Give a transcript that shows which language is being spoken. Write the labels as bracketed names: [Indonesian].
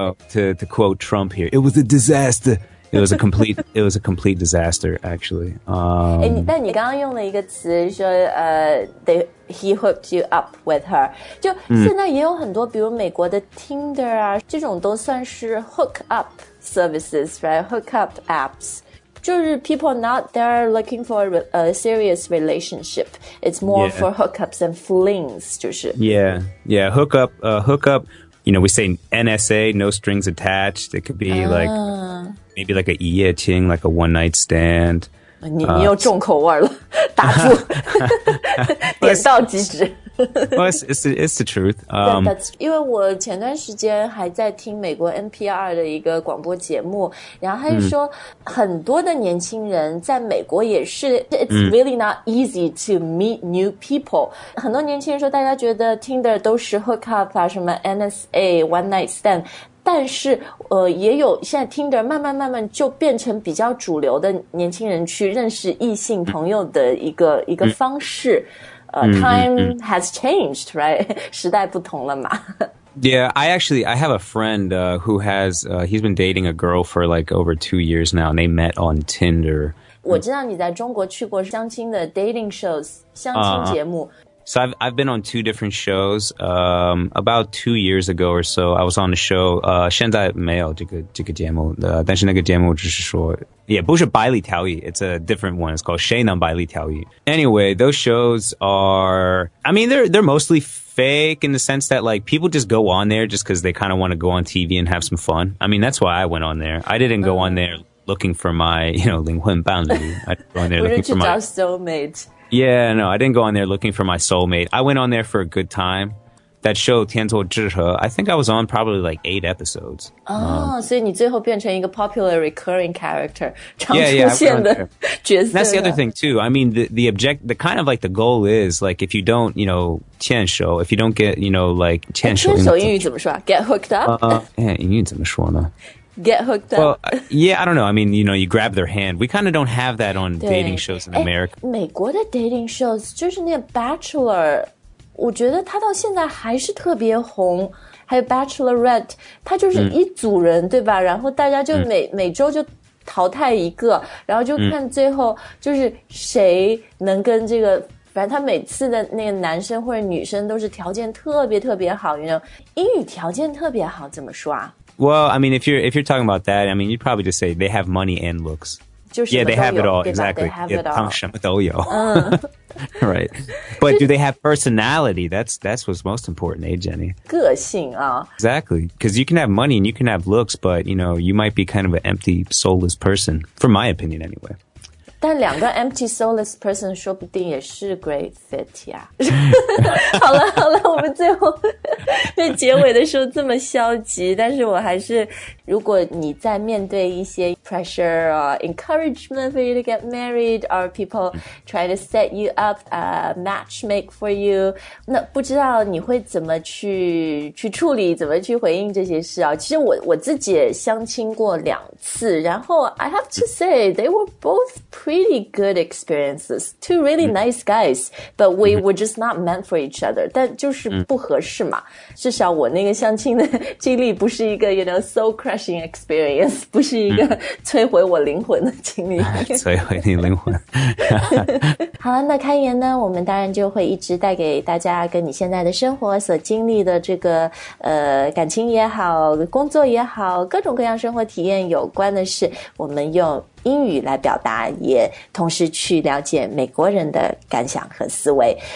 [English] To quote Trump here, it was a disaster. It was a complete disaster, actually. [Chinese] 但你刚刚用了一个词说 [English] he hooked you up with her. [Chinese] 就现在也有很多比如美国的 Tinder 啊这种都算是 [English] hook up services, right? Hook up apps. [Chinese] 就是 [English] people not there looking for a serious relationship. It's more yeah. for hookups and flings, [Chinese] 就是 [English] Yeah, yeah, hookup, hookup, you know, we say NSA, no strings attached. It could be like, maybe like a [Chinese] 一夜情, [English] like a one night stand. [Chinese] 你又重口味了打住点到即止 [English] Well, it's the truth. [Chinese] That's, 因为我前段时间还在听美国 NPR 的一个广播节目，然后他说很多的年轻人在美国也是 [English] It's really not easy to meet new people. [Chinese] 很多年轻人说大家觉得 Tinder 都是 hook up 啊，什么 NSA, [English] one night stand. [Chinese] 但是也有现在 Tinder 慢慢就变成比较主流的年轻人去认识异性朋友的一个方式。 [English] Time has changed, right? [Chinese] 时代不同了嘛。 [English] Yeah, I have a friend who has, he's been dating a girl for like over 2 years now, and they met on Tinder. [Chinese] 我知道你在中国去过相亲的 [English] dating shows, [Chinese] 相亲节目。 [English] So I've been on two different shows. About 2 years ago or so, I was on the show. [Chinese] 现在没有这个节目的，但是那个节目就是说，也不是百里挑一， [English] it's a different one. It's called 谁能百里挑一。 Anyway, those shows are, I mean, they're mostly fake in the sense that like people just go on there just because they kind of want to go on TV and have some fun. I mean, that's why I went on there. I didn't go on there looking for my, you know, [Chinese] 灵魂伴侣. [English] I didn't go on there looking for my soulmate. Yeah, no, I didn't go on there looking for my soulmate. I went on there for a good time. That show, 天作之合, I think I was on probably like 8 episodes. Oh, so you [Chinese] 最后变成一个 [English] popular recurring character, [Chinese] 常 [English] yeah, [Chinese] 出现的 角色。 [English] That's the other thing too. I mean, the kind of like the goal is like if you don't, you know, [Chinese] 牵手, [English] if you don't get, you know, like 牵手。 [Chinese] 牵手英语怎么说? [English] Get hooked up? [Chinese] 英语怎么说呢? [English] Get hooked up. Well, yeah, I don't know. I mean, you know, you grab their hand. We kind of don't have that on dating shows in America. [Chinese] 美国的 [English] dating shows, [Chinese] 就是那 Bachelor, 我觉得他到现在还是特别红。还有 Bachelorette, 他就是一组人、嗯、对吧？然后大家就每周就淘汰一个，然后就看最后就是谁能跟这个反正他每次的那个男生或者女生都是条件特别特别好 [English] you know? [Chinese] 英语条件特别好怎么说啊 [English] Well, I mean, if you're talking about that, I mean, you'd probably just say they have money and looks. Yeah, they have it all, exactly. They have it all. Right. But do they have personality? That's what's most important, eh, Jenny? [Chinese] 个性啊。 [English] Exactly. Because you can have money and you can have looks, but, you know, you might be kind of an empty, soulless person, from my opinion anyway. [Chinese] 但两个 [English] empty soulless person [Chinese] 说不定也是 [English] great fit [Chinese] 呀。好了好了，我们最后在结尾的时候这么消极，但是我还是，如果你在面对一些 [English] pressure or encouragement for you [Chinese] to get married or people try to set you up a matchmake for you, 那不知道你会怎么去处理，怎么去回应这些事啊？其实我自己也相亲过两次，然后 [English] I have to say they were both pretty good experiences. Two really nice guys, but we were just not meant for each other. [Chinese] 但就是不合适嘛。至少我那个相亲的经历不是一个 [English] you know, soul crushing experience, [Chinese] 不是一个摧毁我灵魂的经历。摧毁你灵魂。好了，那开言呢，我们当然就会一直带给大家跟你现在的生活所经历的这个感情也好，工作也好，各种各样生活体验有关的事，我们用英语来表达，也同时去了解美国人的感想和思维。